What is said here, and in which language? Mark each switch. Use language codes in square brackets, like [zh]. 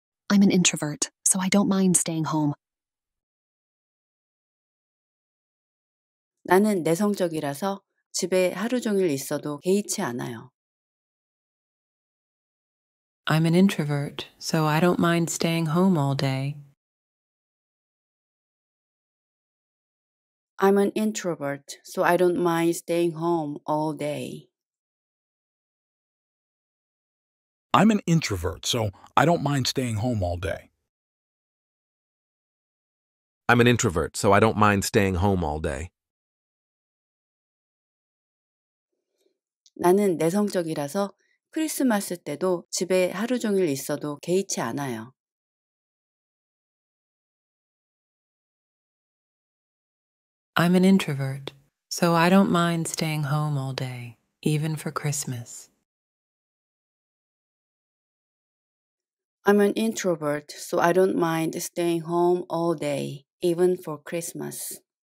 [en] I'm an introvert, so I don't mind staying home. [ko] 나는 내성적이라서 집에 하루 종일 있어도 개의치 않아요. [en] I'm an introvert, so I don't mind staying home all day. I'm an introvert, so I don't mind staying home all day. I'm an introvert, so I don't mind staying home all day. I'm an introvert, so I don't mind staying home all day. [ko] 나는 내성적이라서 크리스마스 때도 집에 하루 종일 있어도 개의치 않아요. [en] I'm an introvert, so I don't mind staying home all day, even for Christmas. I'm an introvert, so I don't mind staying home all day, even for Christmas.